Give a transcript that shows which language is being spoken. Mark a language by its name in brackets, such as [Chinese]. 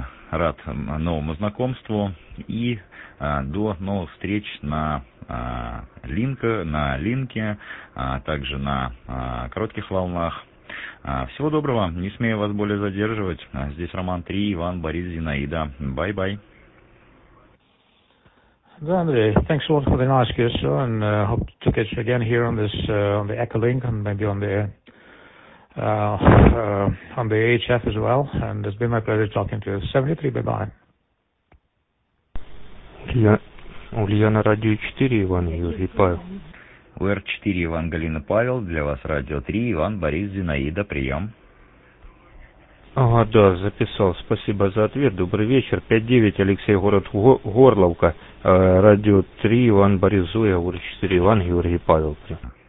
[Russian] Рад новому знакомству и до новых встреч на линке, также на коротких волнах. Всего доброго, не смею вас более задерживать. Здесь Роман 3, Иван, Борис, Зинаида. Бай-бай. [English] Да, Андрей, thanks a lot for the nice QSO and hope to catch you again here on this on the Echo Link and maybe on the HF as well, and it's been my pleasure talking to you. 73, bye bye. [Russian] Ульяна, Радио 4, Иван Юрий Павел. УР4, Иван Галина Павел, для вас Радио 3, Иван Борис Зинаида, прием. Ага, да, записал, спасибо за ответ, добрый вечер. 5-9, Алексей, город Горловка, Радио 3, Иван Борис Зоя, УР4, Иван Юрий Павел, прием.